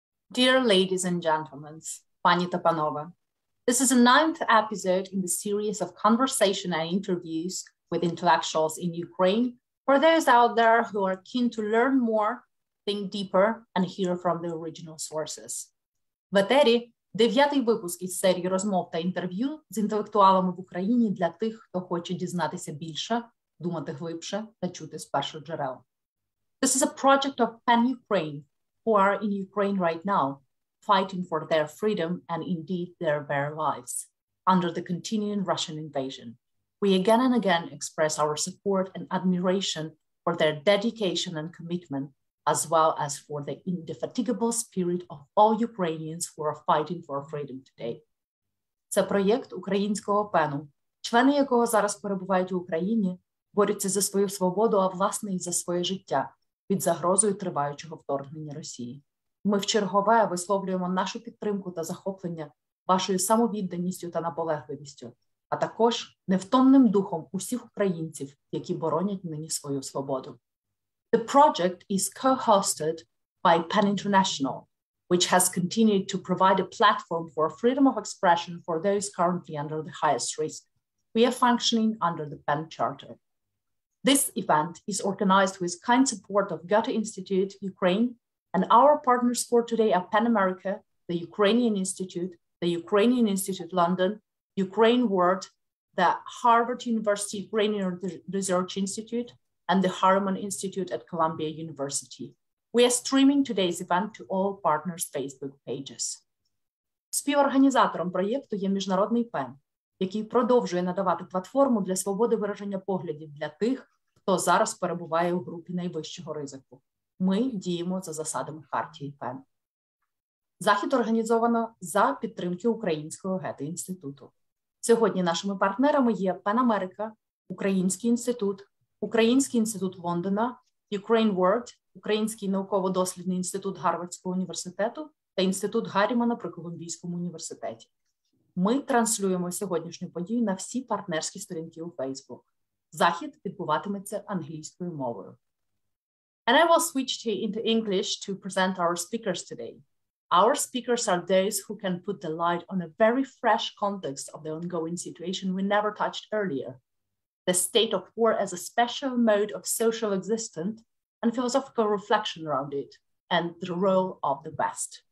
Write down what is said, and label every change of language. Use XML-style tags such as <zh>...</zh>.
<en>Dear ladies and gentlemen,</en> <uk>пані та панове,</uk> <en>this is the 9th episode in the series of conversation and interviews with intellectuals in Ukraine for those out there who are keen to learn more, think deeper, and hear from the original sources.</en> <uk>В етері 9-й випуск із серії розмов та інтерв'ю з інтелектуалами в Україні для тих, хто хоче дізнатися більше, думати глибше та чути з перших джерел.</uk> <en>This is a project of Pan Ukraine, who are in Ukraine right now, fighting for their freedom and indeed their very lives under the continuing Russian invasion. We again and again express our support and admiration for their dedication and commitment, as well as for the indefatigable spirit of all Ukrainians who are fighting for freedom today.</en> <uk>Це проєкт українського пену, члени якого зараз перебувають у Україні, борються за свою свободу, а власне і за своє життя під загрозою триваючого вторгнення Росії. Ми вчергове висловлюємо нашу підтримку та захоплення вашою самовідданістю та наполегливістю, а також невтомним духом усіх українців, які боронять нині свою свободу.</uk> <en>The project is co-hosted by Pan International, which has continued to provide a platform for freedom of expression for those currently under the highest risk. We are functioning under the Pan Charter. This event is organized with kind support of Goethe Institute, Ukraine, and our partners for today are Pan America, the Ukrainian Institute, the Ukrainian Institute London, Ukraine World, the Harvard University Ukrainian Research Institute, and the Harriman Institute at Columbia University. We are streaming today's event to all partners' Facebook pages.</en> <uk>Співорганізатором проєкту є Міжнародний ПЕН, який продовжує надавати платформу для свободи вираження поглядів для тих, хто зараз перебуває у групі найвищого ризику. Ми діємо за засадами хартії ПЕН. Захід організовано за підтримки Українського Гете-інституту. Сьогодні нашими партнерами є ПЕН Америка, Український інститут, Український інститут Лондона, Ukraine World, Український науково-дослідний інститут Гарвардського університету та інститут Гарімана при Колумбійському університеті. Ми транслюємо сьогоднішню подію на всі партнерські сторінки у Facebook. Захід відбуватиметься англійською мовою.</uk> <en>And I will switch to into English to present our speakers today. Our speakers are those who can put the light on a very fresh context of the ongoing situation we never touched earlier. The state of war as a special mode of social existence and philosophical reflection around it, and the role of the West.</en>